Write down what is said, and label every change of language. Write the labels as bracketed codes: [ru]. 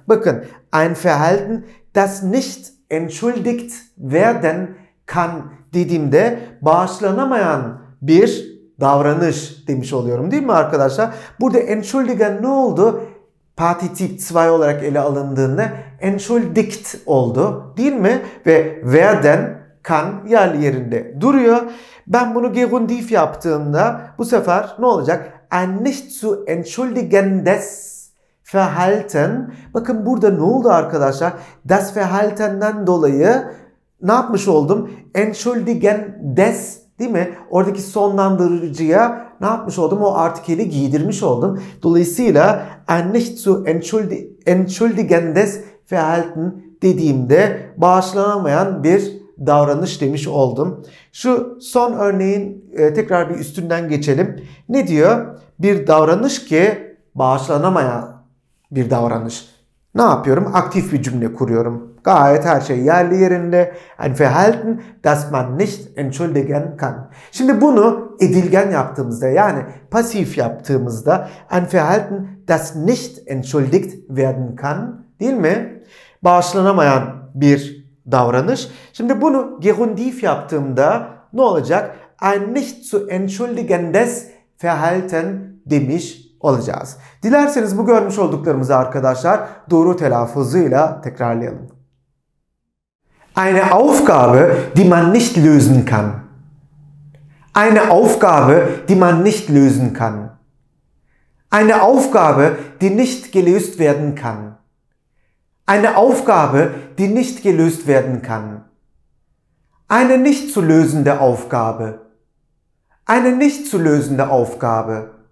[tr] Bakın, [de] ein Verhalten, das nicht entschuldigt werden kann [tr] dediğimde bağışlanamayan bir davranış demiş oluyorum, değil mi arkadaşlar? Burada entschuldigen ne oldu? Partizip 2 olarak ele alındığında entschuldigt oldu, değil mi? Ve werden kann yerli yerinde duruyor. Ben bunu gerundiv yaptığımda bu sefer ne olacak? [de] Ein nicht zu entschuldigendes Verhalten. [tr] Bakın burada ne oldu arkadaşlar? Das Verhalten'den dolayı ne yapmış oldum? Entschuldigendes, değil mi? Oradaki sonlandırıcıya ne yapmış oldum? O artikeli giydirmiş oldum. Dolayısıyla [de] ein nicht zu entschuldigendes Verhalten [tr] dediğimde bağışlanamayan bir davranış demiş oldum. Şu son örneğin tekrar bir üstünden geçelim. Ne diyor? Bir davranış ki bağışlanamayan bir davranış. Ne yapıyorum? Aktif bir cümle kuruyorum. Gayet her şey yerli yerinde. [de] Ein Verhalten, das man nicht entschuldigen kann. [tr] Şimdi bunu edilgen yaptığımızda, yani pasif yaptığımızda [de] ein Verhalten, das nicht entschuldigt werden kann, [tr] değil mi? Bağışlanamayan bir davranış. Şimdi bunu gerundiv yaptığımda ne olacak? [de] Ein nicht zu entschuldigendes Verhalten [tr] demiş olacağız. Dilerseniz bu görmüş olduklarımızı arkadaşlar doğru telaffuzuyla tekrarlayalım. [de] Eine Aufgabe, die man nicht lösen kann. Eine Aufgabe, die man nicht lösen kann. Eine Aufgabe, die nicht gelöst werden kann. Eine Aufgabe, die nicht gelöst werden kann. Eine nicht zu lösende Aufgabe. Eine nicht zu lösende Aufgabe.